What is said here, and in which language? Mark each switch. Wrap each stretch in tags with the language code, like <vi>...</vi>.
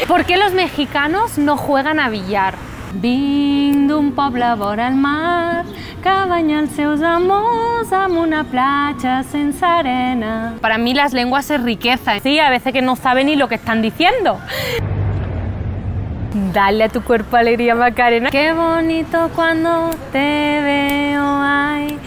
<es>¿Por qué los mexicanos no juegan a billar?</es> <ca>Vinc d'un poble vora al mar, que banya els seus amors amb una platja sense arena.</ca> <es>Para mí las lenguas es riqueza. Sí, a veces que no saben ni lo que están diciendo. Dale a tu cuerpo alegría, Macarena. Qué bonito cuando te veo, ay.</es>